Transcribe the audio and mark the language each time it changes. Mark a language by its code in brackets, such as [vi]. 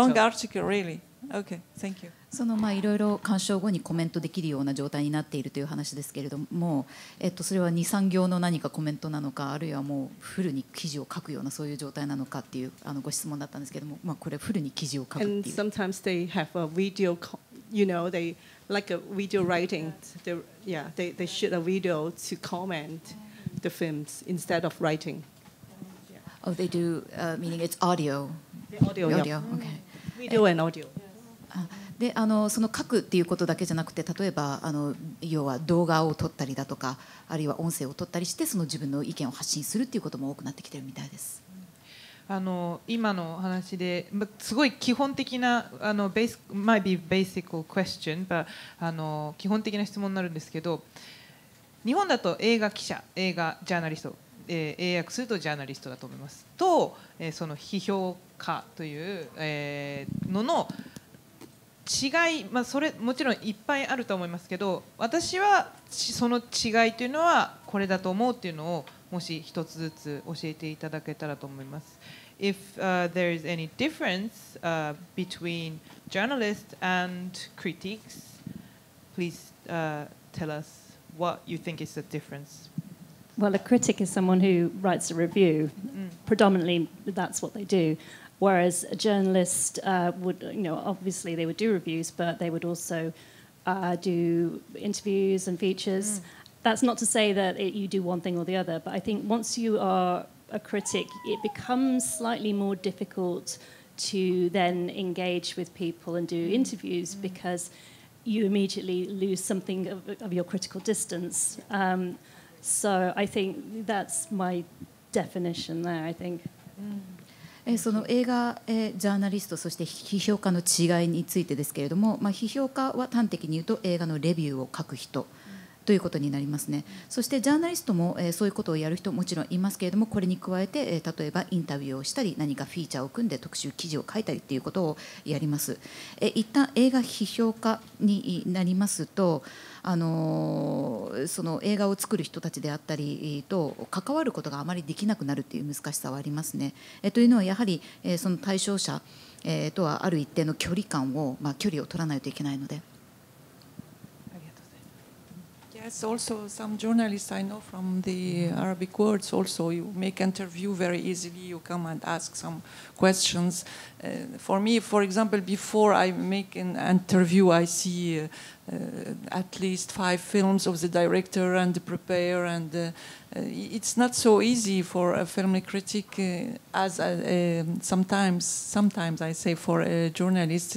[en] A long article, really. Okay, thank you. [ja] そのいろいろ鑑賞後にコメントできるような状態になっているという話ですけれども、それは 2,3 行の何かコメントなのか、あるいはもうフルに記事を書くようなそういう状態なのかっていうご質問だったんですけれども、これフルに記事を書くっていう。 [en] And sometimes they have a video, you know, they like a video writing. They shoot a video to comment the films instead of writing. Oh, they do. Meaning it's audio. The audio. Okay. Video and audio. [ja] でその書くっていうことだけじゃなくて、例えば要は動画を撮ったりだとか、あるいは音声を撮ったりしてその自分の意見を発信するっていうことも多くなってきてるみたいです。今の話ですごい基本的な [en] Might be basic question, but [ja] 基本的な質問になるんですけど、日本だと映画記者、映画ジャーナリスト、英訳するとジャーナリストだと思いますと、その批評家という、のの違い、それもちろんいっぱいあると思いますけど、私はその違いというのはこれだと思うというのをもし一つずつ教えていただけたらと思います。 [en] If、there is any difference、between journalists and critics, please、tell us what you think is the difference. Well, a critic is someone who writes a review. Predominantly that's what they dodo. Whereas a journalist would, you know, obviously they would do reviews, but they would also do interviews and features. Mm. that's not to say that you do one thing or the other, but I think once you are a critic, it becomes slightly more difficult to then engage with people and do interviews because you immediately lose something of your critical distance. So I think that's my definition there, I think. [ja] その映画ジャーナリストそして批評家の違いについてですけれども、まあ、批評家は端的に言うと映画のレビューを書く人ということになりますね。そしてジャーナリストもそういうことをやる人もちろんいますけれども、これに加えて例えばインタビューをしたり何かフィーチャーを組んで特集記事を書いたりということをやります。一旦映画批評家になりますと、その映画を作る人たちであったりと関わることがあまりできなくなるという難しさはありますね。というのはやはりその対象者とはある一定の距離感を、まあ、距離を取らないといけないので。 [en] Yes, also some journalists I know from the Arabic world, also you make interview very easily, you come and ask some questions. For me, for example, before I make an interview, I see at least five films of the director and prepare, and it's not so easy for a film critic as sometimes I say for a journalist.